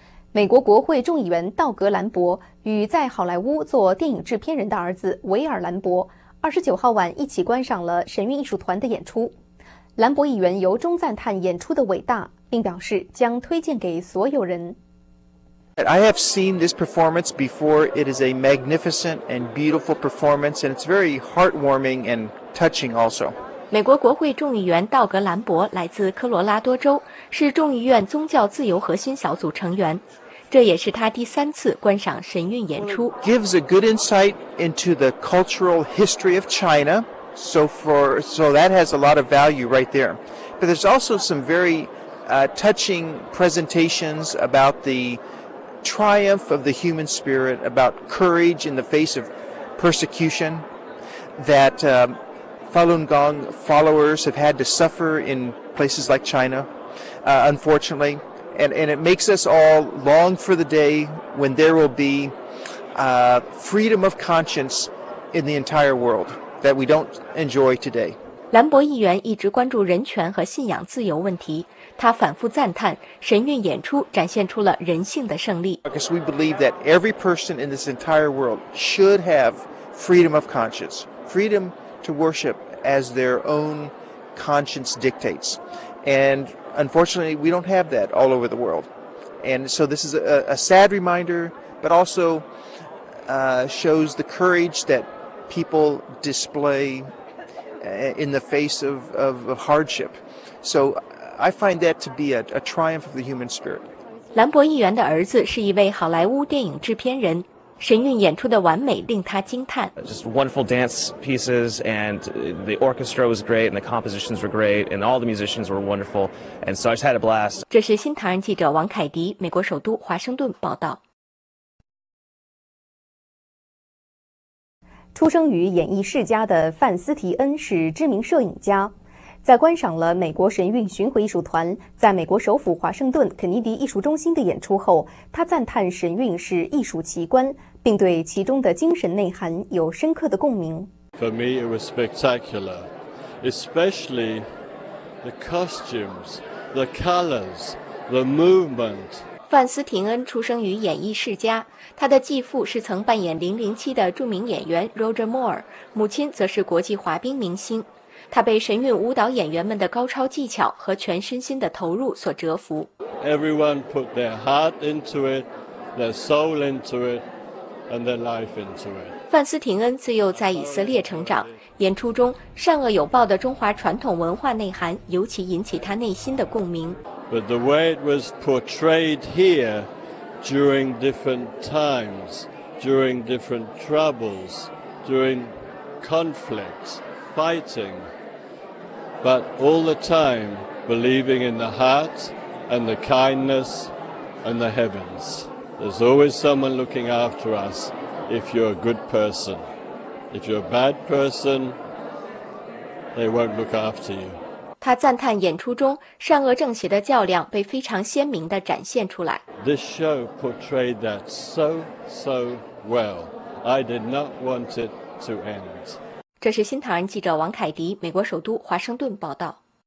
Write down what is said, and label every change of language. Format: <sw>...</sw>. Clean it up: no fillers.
<zh>美国国会众议员道格·兰博与在好莱坞做电影制片人的儿子维尔·兰博29号晚一起观赏了神韵艺术团的演出。兰博议员由衷赞叹演出的伟大，并表示将推荐给所有人。</zh> <en>I have seen this performance before. It is a magnificent and beautiful performance, and it's very heartwarming and touching also.</en> <zh>美国国会众议员道格·兰博来自科罗拉多州，是众议院宗教自由核心小组成员。这也是他第三次观赏神韵演出。</zh> <en>It gives a good insight into the cultural history of China. So that has a lot of value right there. But there's also some very touching presentations about the triumph of the human spirit, about courage in the face of persecution, that Falun Gong followers have had to suffer in places like China, unfortunately. And it makes us all long for the day when there will be freedom of conscience in the entire world that we don't enjoy today.</en> <zh>兰博议员一直关注人权和信仰自由问题。他反复赞叹神韵演出展现出了人性的胜利。</zh> <en>Because we believe that every person in this entire world should have freedom of conscience, freedom to worship as their own conscience dictates. And unfortunately, we don't have that all over the world. And so this is a sad reminder, but also shows the courage that people display in the face of hardship. So,I find that to be a triumph of the human spirit.</en> <zh>兰博议员的儿子是一位好莱坞电影制片人，神韵演出的完美令他惊叹。</zh> <en>Just wonderful dance pieces, and the orchestra was great, and the compositions were great, and all the musicians were wonderful, and so I just had a blast.</en> <zh>这是新唐人记者王凯迪，美国首都华盛顿报道。出生于演艺世家的范斯提恩是知名摄影家。在观赏了美国神韵巡回艺术团在美国首府华盛顿肯尼迪艺术中心的演出后，他赞叹神韵是艺术奇观，并对其中的精神内涵有深刻的共鸣。</zh> <en>For me, it was spectacular, especially the costumes, the colors, the movement.</en> <zh>范斯廷恩出生于演艺世家，他的继父是曾扮演007的著名演员 Roger Moore， 母亲则是国际滑冰明星。他被神韵舞蹈演员们的高超技巧和全身心的投入所折服。</zh> <en>Everyone put their heart into it, their soul into it, and their life into it.</en> <zh>范斯廷恩自幼在以色列成长，演出中善恶有报的中华传统文化内涵尤其引起他内心的共鸣。</zh> <en>But the way it was portrayed here, during different times, during different troubles, during conflicts. Fighting, but all the time believing in the heart and the kindness and the heavens. There's always someone looking after us if you're a good person. If you're a bad person, they won't look after you.</en> <zh>他赞叹演出中善恶正邪的较量被非常鲜明地展现出来。</zh> <en>This show portrayed that so, so well. I did not want it to end.</en> <zh>这是新唐人记者王凯迪，美国首都华盛顿报道。</zh>